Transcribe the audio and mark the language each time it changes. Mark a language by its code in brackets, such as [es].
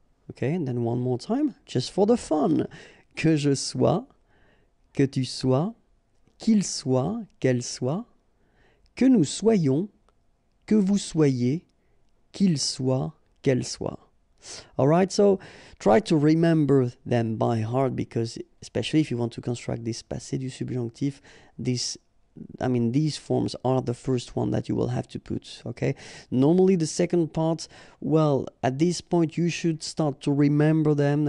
[en] Okay, and then one more time, just for the fun. [fr] Que je sois, que tu sois, qu'il soit, qu'elle soit, que nous soyons, que vous soyez, qu'il soit, qu'elle soit. [en] Alright, so try to remember them by heart, because especially if you want to construct this passé du subjonctif, these forms are the first one that you will have to put, okay? Normally the second part, well, at this point you should start to remember them.